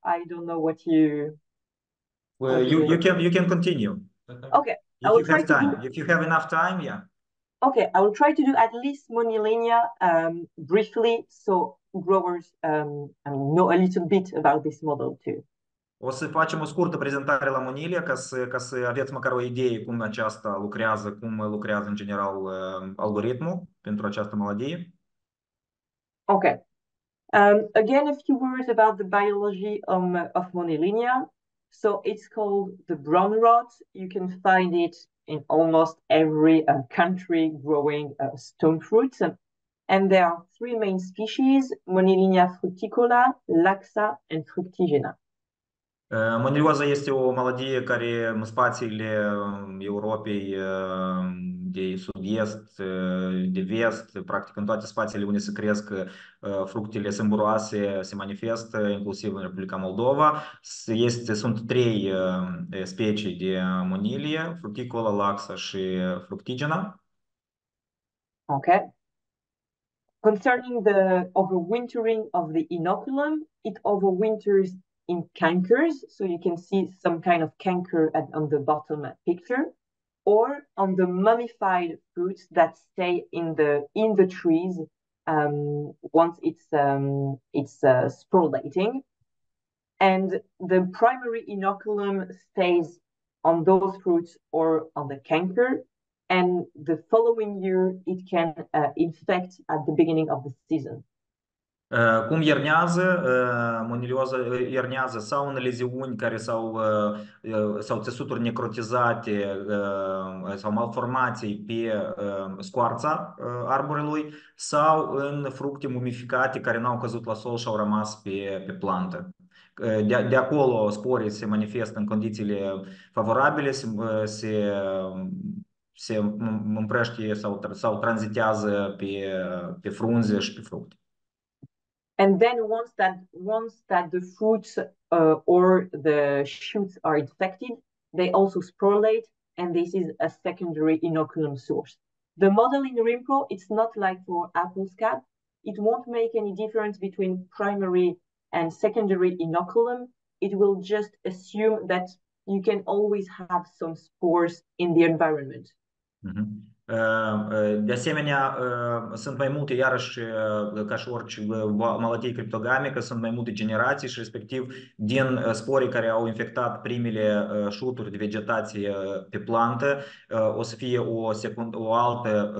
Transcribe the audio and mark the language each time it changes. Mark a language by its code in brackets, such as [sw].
[en] I don't know what you. Well, you can continue. Okay, if I will you try have to time. Do... If you have enough time, yeah. Okay, I will try to do at least monilinia briefly, so growers know a little bit about this model too. [ro] O să facem o scurtă prezentare la monilia ca să aveți măcar o idee cum aceasta lucrează, cum lucrează în general algoritmul pentru această maladie. [en] Okay. Again, a few words about the biology of monilinia. So it's called the brown rot. You can find it in almost every country growing stone fruit. And there are three main species, monilinia fruticola, laxa, and fructigena. [ro] Monilioza este o maladie care în spațiile Europei de sud-est, de vest, practic în toate spațiile unde se cresc fructele sâmburoase se manifestă, inclusiv în Republica Moldova. Sunt trei specii de monilie, fruticola, laxa și fructigena. [en] Ok. Concerning the overwintering of the inoculum, it overwinters in cankers, so you can see some kind of canker on the bottom picture, or on the mummified fruits that stay in the trees once it's sporulating, and the primary inoculum stays on those fruits or on the canker, and the following year it can infect at the beginning of the season. [ro] Cum iernează monilioza, iernează sau în leziuni care sau țesuturi necrotizate sau malformații pe scoarța arborelui sau în fructe mumificate care n-au căzut la sol și au rămas pe plantă. De acolo sporii se manifestă în condițiile favorabile, se împrăștie sau tranzitează pe frunze și pe fructe. [en] And then once that the fruits or the shoots are infected, they also sporulate, and this is a secondary inoculum source. The model in RIMPRO, it's not like for apple scab. It won't make any difference between primary and secondary inoculum. It will just assume that you can always have some spores in the environment. Mm-hmm. [ro] De asemenea, sunt mai multe, iarăși, ca și orice maladie criptogamică, sunt mai multe generații și respectiv din sporii care au infectat primele șuturi de vegetație pe plantă, o să fie o altă